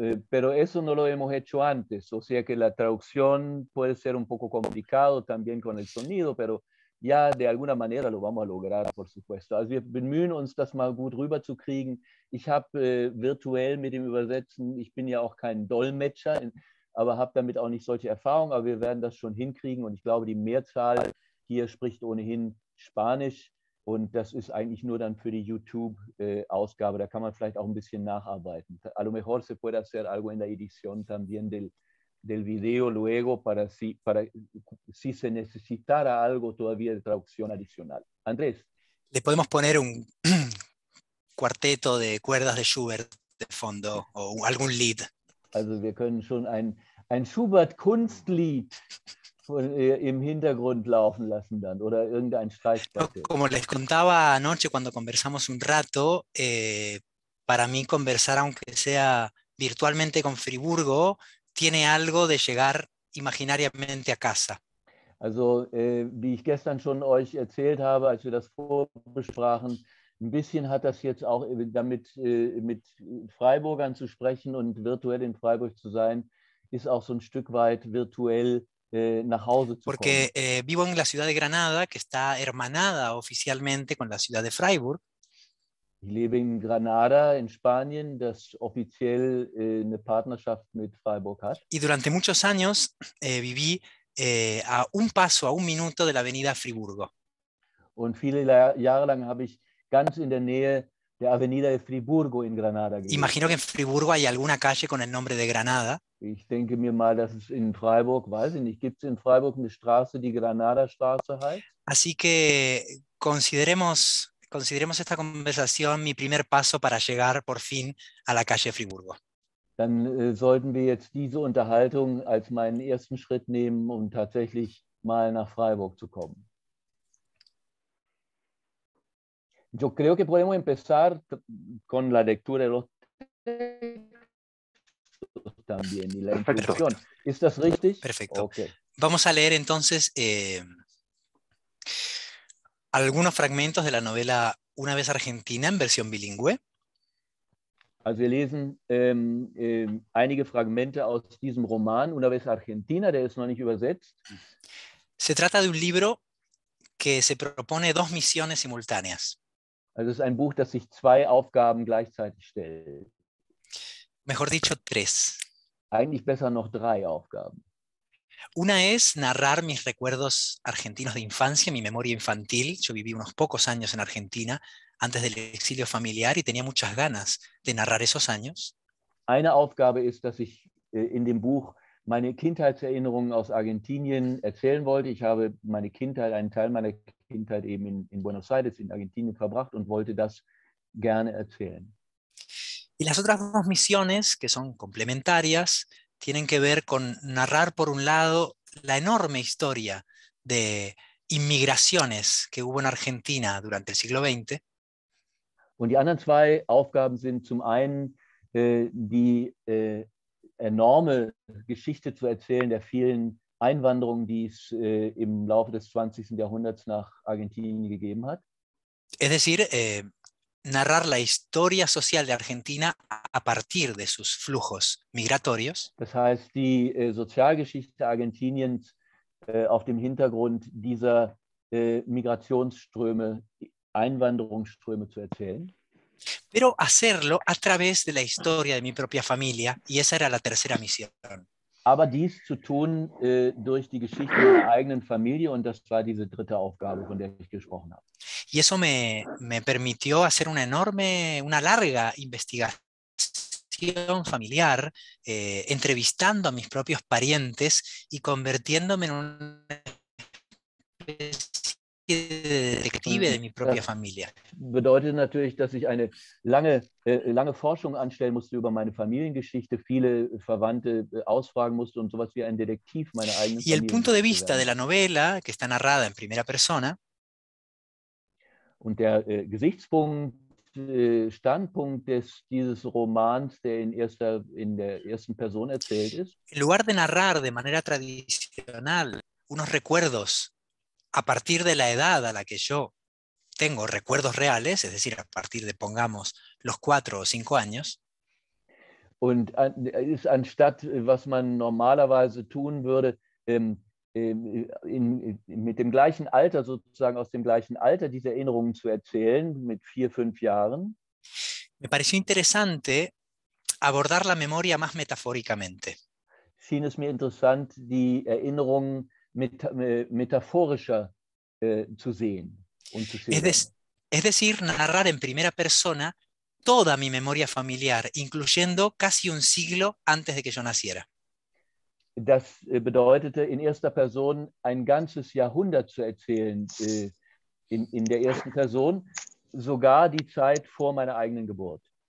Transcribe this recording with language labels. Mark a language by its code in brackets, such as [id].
[es] Pero eso no lo hemos hecho antes, o sea que la traducción puede ser un poco complicado también con el sonido, pero ya de alguna manera lo vamos a lograr, por supuesto. [de] Also wir bemühen uns, das mal gut rüberzukriegen. Ich habe virtuell mit dem Übersetzen, ich bin ja auch kein Dolmetscher, aber habe damit auch nicht solche Erfahrungen, aber wir werden das schon hinkriegen und ich glaube, die Mehrzahl hier spricht ohnehin Spanisch und das ist eigentlich nur dann für die YouTube-Ausgabe, da kann man vielleicht auch ein bisschen nacharbeiten. [es] A lo mejor se puede hacer algo en la edición también del video luego para si se necesitara algo todavía de traducción adicional. Andrés. Le podemos poner un cuarteto de cuerdas de Schubert de fondo o algún lead. [de] Also wir können schon ein Schubert-Kunstlied im Hintergrund laufen lassen dann oder irgendein Streichquartett. [es] Como les contaba anoche cuando conversamos un rato, para mí conversar aunque sea virtualmente con Friburgo tiene algo de llegar imaginariamente a casa. [de] Also wie ich gestern schon euch erzählt habe, als wir das vorbesprachen, ein bisschen hat das jetzt auch damit mit Freiburgern zu sprechen und virtuell in Freiburg zu sein, ist auch so ein Stück weit virtuell nach Hause zu [es] Porque, Porque vivo en la ciudad de Granada, que está hermanada oficialmente con la ciudad de Freiburg. [de] Ich lebe in Granada, in Spanien, das offiziell eine Partnerschaft mit Freiburg hat. [es] Y durante muchos años viví a un paso, a un minuto de la avenida Friburgo. [de] Und viele Jahre lang habe ich ganz in der Nähe der Avenida de Friburgo in Granada gelebt. [es] Imagino que en Friburgo hay alguna calle con el nombre de Granada. [de] Ich denke mir mal, dass es in Freiburg, weiß ich nicht, gibt es in Freiburg eine Straße, die Granada-Straße heißt? [es] Así que consideremos esta conversación mi primer paso para llegar por fin a la calle Friburgo. [de] Dann sollten wir jetzt diese Unterhaltung als meinen ersten Schritt nehmen, um tatsächlich mal nach Freiburg zu kommen. [es] Yo creo que podemos empezar con la lectura de los textos también y la introducción. [de] ¿Es das richtig? [es] Perfecto. Okay. Vamos a leer entonces algunos fragmentos de la novela Una vez Argentina en versión bilingüe. [de] Also wir lesen einige Fragmente aus diesem Roman Una vez Argentina, der ist noch nicht übersetzt. [es] Se trata de un libro que se propone dos misiones simultáneas. [de] Also es ist ein Buch, das sich zwei Aufgaben gleichzeitig stellt. [es] Mejor dicho, tres. [de] Eigentlich besser noch drei Aufgaben. [es] Una es narrar mis recuerdos argentinos de infancia, mi memoria infantil. Yo viví unos pocos años en Argentina antes del exilio familiar y tenía muchas ganas de narrar esos años. [de] Eine Aufgabe ist, dass ich in dem Buch meine Kindheitserinnerungen aus Argentinien erzählen wollte. Ich habe meine Kindheit, einen Teil meiner Kindheit eben in Buenos Aires, in Argentinien verbracht und wollte das gerne erzählen. [es] Y las otras dos misiones, que son complementarias, tienen que ver con narrar, por un lado, la enorme historia de inmigraciones que hubo en Argentina durante el siglo XX. [de] Und die anderen zwei Aufgaben sind zum einen die enorme Geschichte zu erzählen der vielen Einwanderungen, die es im Laufe des 20. Jahrhunderts nach Argentinien gegeben hat. [es] Es decir, narrar la historia social de Argentina a partir de sus flujos migratorios. [de] Das heißt, die Sozialgeschichte Argentiniens auf dem Hintergrund dieser Migrationsströme, Einwanderungsströme zu erzählen. [es] pero hacerlo a través de la historia de mi propia familia, y esa era la tercera misión. [de] Aber dies zu tun durch die Geschichte meiner eigenen Familie, und das war diese dritte Aufgabe, von der ich gesprochen habe. [es] Y eso me permitió hacer una larga investigación familiar, entrevistando a mis propios parientes y convirtiéndome en un detective de mi propia familia. [de] Bedeutet natürlich, dass ich eine lange Forschung anstellen musste über meine Familiengeschichte, viele Verwandte ausfragen musste und sowas wie ein Detektiv meiner eigenen Familie. [es] Y el punto de vista de la novela, que está narrada en primera persona, [de] und der Gesichtspunkt, Standpunkt dieses Romans, der in der ersten Person erzählt ist. [es] En lugar de narrar de manera tradicional unos recuerdos a partir de la edad a la que yo tengo recuerdos reales, es decir, a partir de, pongamos, los 4 o 5 años. [de] Und ist anstatt, was man normalerweise tun würde, mit dem gleichen Alter, sozusagen aus dem gleichen Alter, diese Erinnerungen zu erzählen, mit 4, 5 Jahren. [es] Me pareció interesante abordar la memoria más metafóricamente. [de] Schien es mir interessant, die Erinnerungen metaphorischer zu sehen und zu sehen. [es] Es decir, narrar en primera persona toda mi memoria familiar, incluyendo casi un siglo antes de que yo naciera. [de] Das bedeutete, in erster Person ein ganzes Jahrhundert zu erzählen, in der ersten Person, sogar die Zeit vor meiner eigenen Geburt.